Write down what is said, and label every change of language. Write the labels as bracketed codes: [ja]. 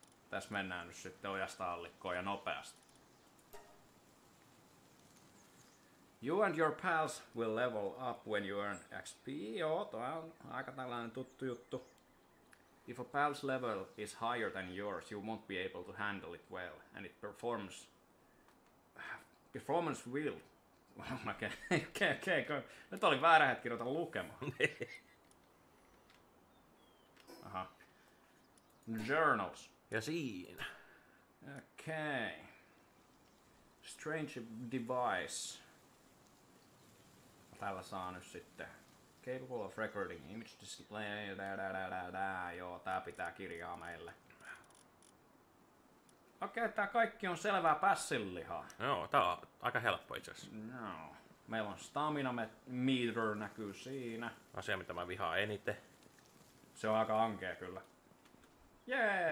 [fi] Tässä mennään nyt sitten ojasta allikkoon ja nopeasti. [en] You and your pals will level up when you earn XP. [fi] Joo, toi on aika tällainen tuttu juttu. [en] If a pal's level is higher than yours, you won't be able to handle it well. And it performs... Performance will... Okei. [fi] Nyt oli väärä hetki ruveta lukemaan. [en] Aha. Journals. [fi] Ja siinä. [en] Okei. Strange Device. [fi] Tällä saa nyt sitten. [en] Capable of recording image display. [fi] Joo, tää pitää kirjaa meille. Okei, okay, tää kaikki on selvää pässinlihaa. Joo, tää on aika helppo itse asiassa. No. Meillä on stamina meter näkyy siinä. Asia, mitä mä vihaan eniten. Se on aika ankea kyllä. Jee!